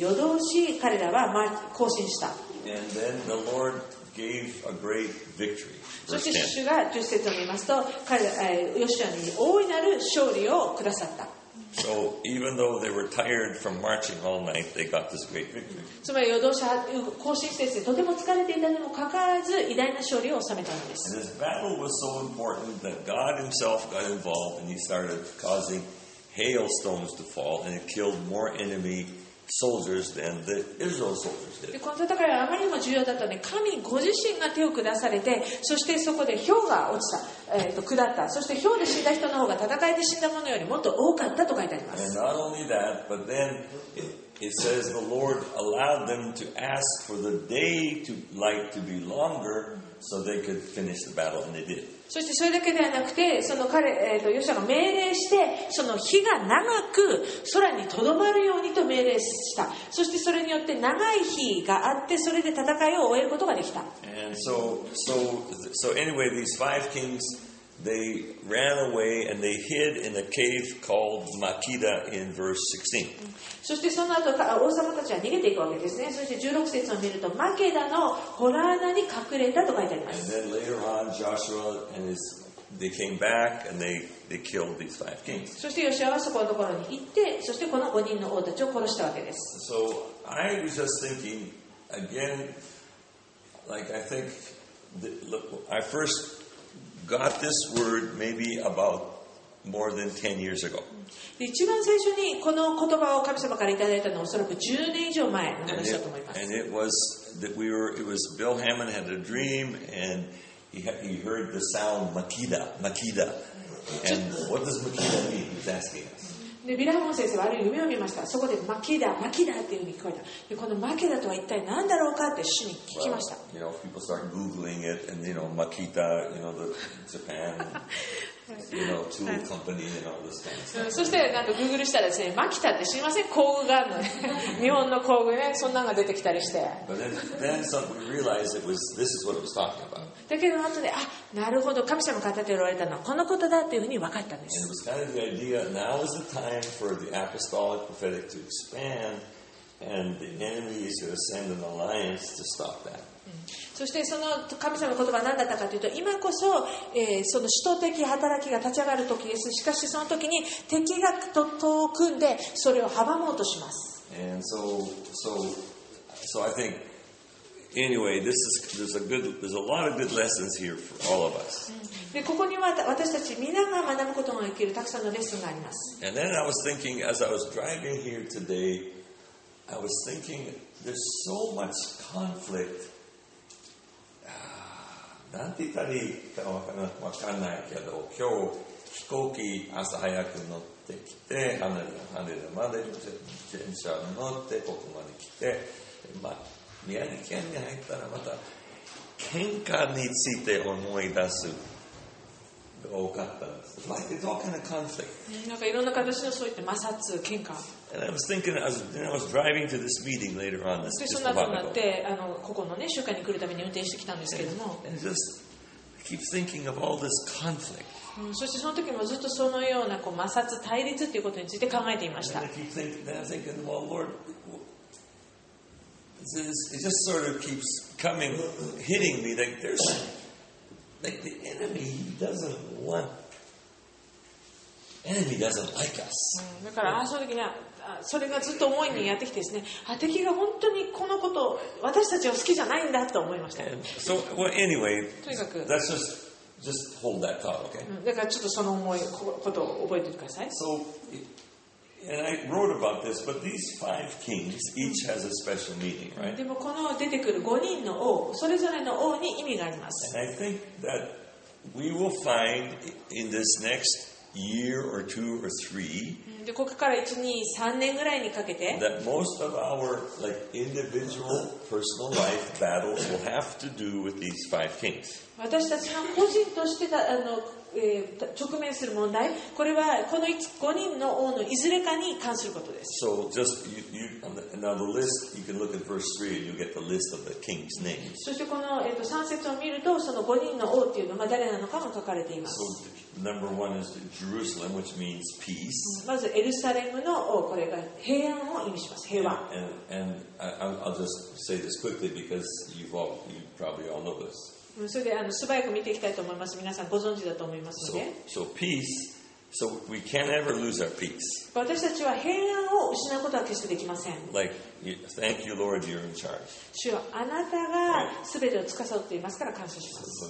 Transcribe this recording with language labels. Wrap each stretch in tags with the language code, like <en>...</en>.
<ja>夜通し彼らは行進した。</ja> <en>And then the Lord gave a great victory.</en> <ja>そして主が10節を見ますと、ヨシュアに大いなる勝利をくださった。</ja> <en>So even though they were tired from marching all night, they got this great victory.</en> <ja>つまり夜通し行進してとても疲れていたにもかかわらず偉大な勝利を収めたのです。</ja> <en>And this battle was so important that God himself got involved and he started causing hailstones to fall and it killed more enemy soldiers than the Israel soldiers did.</en> <ja>この戦いはあまりにも重要だったので神ご自身が手を下されてそしてそこで雹が落ちた、下ったそして雹で死んだ人の方が戦いで死んだものよりもっと多かったと書いてあります。</ja> <en>And not only that, but then it says the Lord allowed them to ask for the day to light to be longer so they could finish the battle and they did.</en> <ja>そしてそれだけではなくてその彼、ヨシュアが命令してその日が長く空にとどまるようにと命令したそしてそれによって長い日があってそれで戦いを終えることができた。</ja> <en>And so anyway these five kings they ran away and they hid in a cave called Makeda in verse 16.</en> <ja>そしてその後王様たちは逃げていくわけですね。そして16節を見るとマケダのホラー穴に隠れたと書いてあります。</ja> <en>And then later on Joshua and his they came back and they killed these five kings.</en> <ja>そしてヨシュアはそこのところに行ってそしてこの5人の王たちを殺したわけです。</ja> <en>So I was just thinking again like I think I firstGot this word maybe about more than 10 years ago.</en> <ja>で一番最初にこの言葉を神様からいただいたのはおそらく10年以上前の話だと思います。</ja> <en>And it was that we were. It was Bill Hammond had a dream and he heard the sound Makeda, Makeda. And what does Makeda mean? He's asking us.</en> <ja>でビラハモン先生はある夢を見ました。そこでマキダ、マキダっていうふうに聞こえた。でこのマキダとは一体何だろうかって主に聞きました。</ja> <en>Well, you know, people start googling it, and you know, Makita, you know, the Japan, you know, tool company and all this kind of stuff.</en> <ja>そしてなんかグーグルしたらですね、マキタって知りません？工具があるの、ね、日本の工具ね、そんなのが出てきたりして。</ja> <en>But then suddenly realized it was this is what it was talking about.</en> <ja>だけど後で、あ、なるほど、神様語っておられたのはこのことだっていうふうに分かったんです。</ja> <en>And it was kind of the idea. Now is the time. For the apostolic prophetic to expand, and the enemy is going to send an alliance to stop that.</en> <ja>そしてその神様の言葉は何だったかというと、今こそ、その使徒的働きが立ち上がる時です。しかしその時に敵が遠くんでそれを阻もうとします。</ja> <en>And so I think. Anyway, there's a lot of good lessons here for all of us.</en> <ja>でここには私たち皆が学ぶことができるたくさんのレッスンがあります。</ja> <en>And then I was thinking, as I was driving here today, I was thinking, there's so much conflict.</en> <ja>なんて言ったらいいかわかんないけど、今日飛行機朝早く乗ってきて、羽田まで電車乗ってここまで来て、まあ。宮城県に入ったらまた喧嘩について思い出すが多かったんです。</ja> <en>Like it's all kind of conflict.</en> <ja>なんかいろんな形のそういった摩擦、喧嘩。</ja> <en>And I was thinking as I was driving to this meeting later on this just a while ago.</en> <ja>そんなことになってここのね集会に来るために運転してきたんですけども。</ja> <en>And just keep thinking of all this conflict.</en> <ja>そしてその時もずっとそのようなこう摩擦、対立っていうことについて考えていました。</ja> <en>And I keep thinking, well, Lord. It just sort of keeps coming, hitting me like there's like the enemy doesn't want. Enemy doesn't like us.</en> <ja>だからその時にはそれがずっと思いにやってきてですね。敵が本当にこのこと私たちを好きじゃないんだと思いました。</ja> <en>So well, anyway, that's just hold that thought, okay?</en> <ja>だからちょっとその思いことを覚えてください。</ja> <en>So. And I wrote about this, but these five kings each has a special meaning, right?</en> <ja>でもこの出てくる5人の王、それぞれの王に意味があります。</ja> <en>And I think that we will find in this next year or two or three.</en> <ja>でここから1、2、3年ぐらいにかけて。</ja> <en>That most of our like individual personal life battles will have to do with these five kings.</en> <ja>私たちは個人としてだ直面する問題、これはこの5人の王のいずれかに関することです。</ja> <en>So just you now the list you can look at verse 3 and you get the list of the king's names.</en> <ja>そしてこの3節を見るとその5人の王っていうのは誰なのかも書かれています。</ja> <en>So number one is Jerusalem, which means peace.</en> <ja>まずエルサレムの王、これが平安を意味します。平和。</ja> <en>And I'll just say this quickly because you probably all know this.</en> <ja>それで素早く見ていきたいと思います。皆さんご存知だと思いますので。</ja> <en>So peace So we can't ever lose our peace.</en> <ja>私たちは平安を失うことは決してできません。</ja> <en>Like, thank you, Lord, you're in charge.</en> <ja>主はあなたが全てを司っていますから感謝します。</ja>